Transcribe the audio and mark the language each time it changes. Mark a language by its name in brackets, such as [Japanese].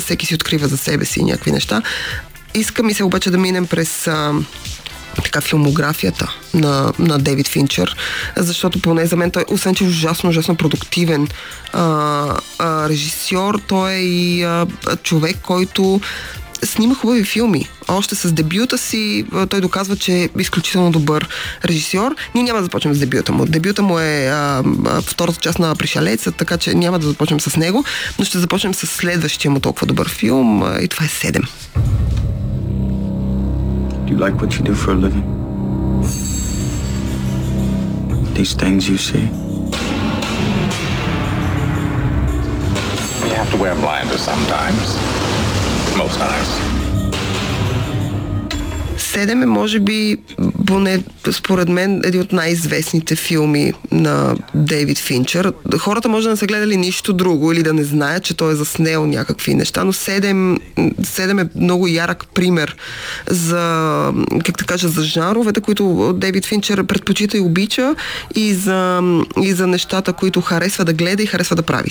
[Bulgarian] Всеки си открива за себе си някакви неща. Искам и се обаче да минем през така филмографията на Дейвид Финчер, защото поне за мен той, освен че е ужасно продуктивен режисьор, той е и човек, който снима хубави филми. Още с дебюта си той доказва, че е изключително добър режисьор. Ние няма да започнем с дебюта му. Дебюта му е втората част на Пришелеца, така че няма да започнем с него, но ще започнем с следващия му толкова добър филм и това е Седем. [English] Do you like what you do for a living? These things you see? You have to wear blinders sometimes. Most times. [Bulgarian] Седем е, може би, поне според мен, един от най-известните филми на Дейвид Финчер. Хората може да не са гледали нищо друго или да не знаят, че той е заснел някакви неща, но Седем е много ярък пример за, как да кажа, за жанровете, които Дейвид Финчер предпочита и обича, и за нещата, които харесва да гледа и харесва да прави.